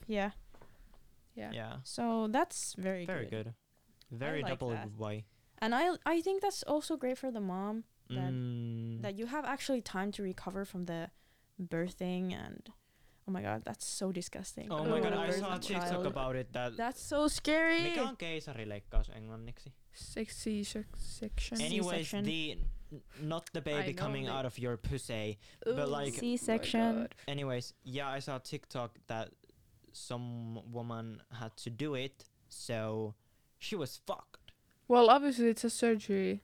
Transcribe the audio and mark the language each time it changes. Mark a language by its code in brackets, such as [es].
[en] Yeah. Yeah. Yeah. So that's very good. Very good. Very double Y. And I think that's also great for the mom that you have actually time to recover from the birthing and. Oh my god, that's so disgusting. Oh my god, I saw a TikTok child. About it. That's so scary. [fi] Mikä on keisarileikkaus englanniksi? [en] C-section. Anyways, not the baby coming out of your pussy, but like C-section. Anyways, yeah, I saw a TikTok that some woman had to do it, so she was fucked. Well, obviously it's a surgery.